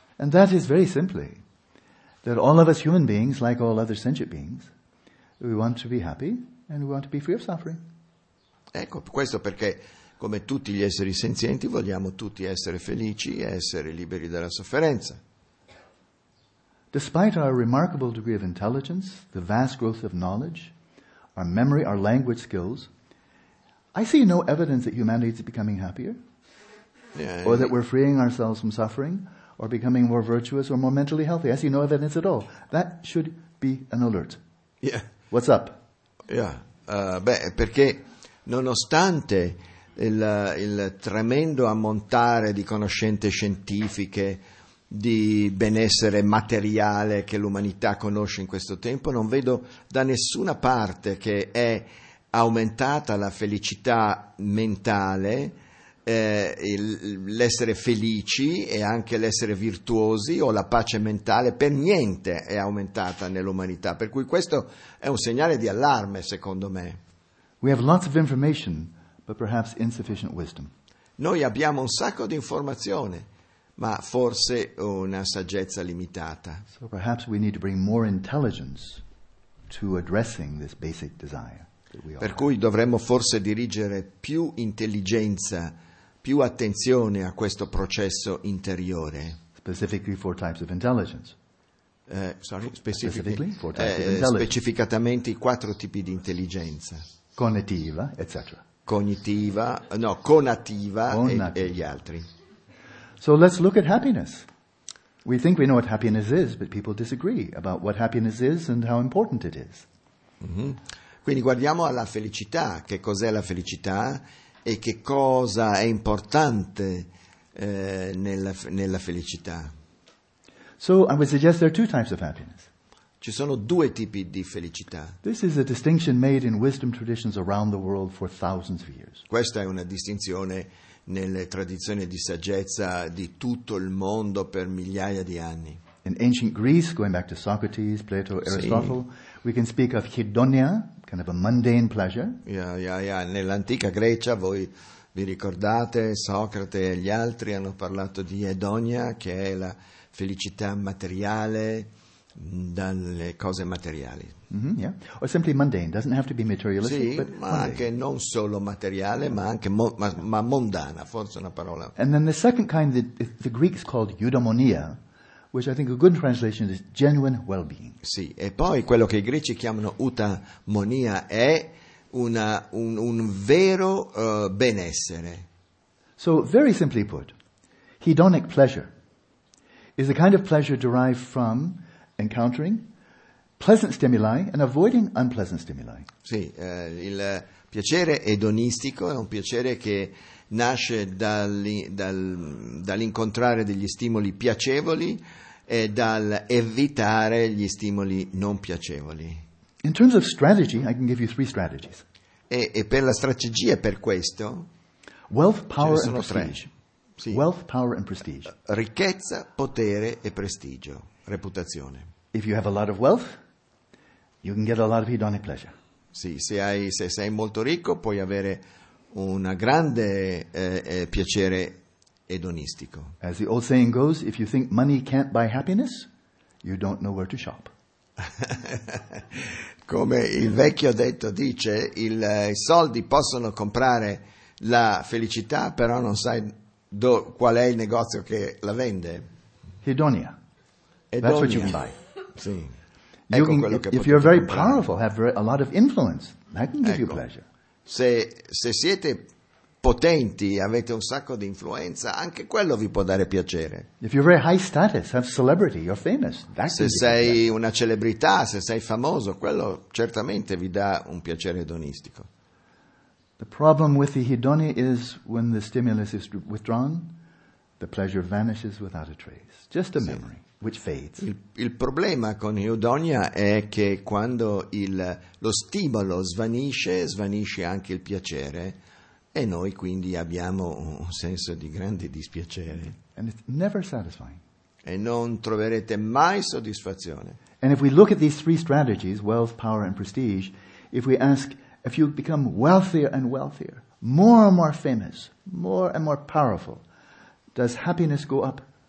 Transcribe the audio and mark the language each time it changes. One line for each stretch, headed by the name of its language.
English: And that is very simply that all of us human beings, like all other sentient beings, we want to be happy and we want to be free of suffering.
Italian: Ecco, questo perché, come tutti gli esseri senzienti, vogliamo tutti essere felici e essere liberi dalla sofferenza.
English: Despite our remarkable degree of intelligence, the vast growth of knowledge, our memory, our language skills, I see no evidence that humanity is becoming happier, or that we're freeing ourselves from suffering, or becoming more virtuous or more mentally healthy. I see no evidence at all. That should be an alert. Yeah. What's up? Yeah.
Italian: Perché nonostante il tremendo ammontare di conoscenze scientifiche, di benessere materiale che l'umanità conosce in questo tempo, non vedo da nessuna parte che è aumentata la felicità mentale, l'essere felici e anche l'essere virtuosi o la pace mentale, per niente è aumentata nell'umanità. Per cui questo è un segnale di allarme, secondo me.
English: We have lots of information, but perhaps insufficient wisdom.
Italian: Noi abbiamo un sacco di informazione, ma forse una saggezza limitata.
English: So perhaps we need to bring more intelligence to addressing this basic desire.
Italian: Per cui dovremmo forse dirigere più intelligenza, più attenzione a questo processo interiore.
English: Specifically four types of intelligence.
Italian: Specificatamente i quattro tipi di intelligenza. Cognitiva, eccetera. Conativa. E gli altri.
English: So let's look at happiness. We think we know what happiness is, but people disagree about what happiness is and how important it is. Mm-hmm.
Italian: Quindi guardiamo alla felicità, che cos'è la felicità e che cosa è importante nella felicità.
English: So I would suggest there are two types of happiness.
Italian: Ci sono due tipi di felicità.
English: This is a distinction made in wisdom traditions around the world for thousands of years.
Italian: Questa è una distinzione nelle tradizioni di saggezza di tutto il mondo per migliaia di anni.
English: In ancient Greece, going back to Socrates, Plato, Aristotle,
Italian: sì,
English: we can speak of hedonia, kind of a mundane pleasure. Yeah.
Italian: Nell'antica Grecia, voi vi ricordate, Socrate e gli altri hanno parlato di hedonia, che è la felicità materiale dalle cose materiali.
English: Mm-hmm, yeah. Or simply mundane, doesn't have to be materialistic.
Italian: Sì,
English: but
Italian: ma anche non solo materiale, ma anche mondana, forse una parola.
English: And then the second kind that the Greeks called eudaimonia, which I think a good translation is genuine well-being.
Italian: Sì, e poi quello che i greci chiamano eudaimonia è un vero benessere.
English: So, very simply put, hedonic pleasure is the kind of pleasure derived from encountering pleasant stimuli and avoiding unpleasant stimuli.
Italian: Sì, il piacere edonistico è un piacere che nasce dall'incontrare degli stimoli piacevoli e dal evitare gli stimoli non piacevoli.
English: In terms of strategy, I can give you three strategies.
Italian: E per la strategia, per questo,
English: wealth, power, and prestige. Sì. Wealth, power, and prestige.
Italian: Ricchezza, potere e prestigio, reputazione.
English: If you have a lot of wealth, you can get a lot of hedonic pleasure.
Italian: Sì, se sei molto ricco, puoi avere un grande piacere edonistico.
English: As the old saying goes, if you think money can't buy happiness, you don't know where to shop.
Italian: Come il vecchio detto dice, i soldi possono comprare la felicità, però non sai qual è il negozio che la vende.
English: Hedonia.
Italian: Hedonia.
English: That's what you can buy.
Italian: Sì.
English: If you're very powerful, have a lot of influence, that can give you pleasure.
Italian: Se siete potenti, avete un sacco di influenza, anche quello vi può dare piacere.
English: If you're very high status, a celebrity, you're famous, that
Italian: se sei una celebrità, se sei famoso, quello certamente vi dà un piacere edonistico.
English: The problem with the hedonia is when the stimulus is withdrawn, the pleasure vanishes without a trace, just a memory. Sì. Which fades.
Italian: Il problema con l'eudonia è che quando lo stimolo svanisce, svanisce anche il piacere, e noi quindi abbiamo un senso di grande dispiacere.
English: And it's never satisfying.
Italian: E non troverete mai soddisfazione.
English: And if we look at these three strategies, wealth, power and prestige, if we ask, if you become wealthier and wealthier, more and more famous, more and more powerful, does happiness go up?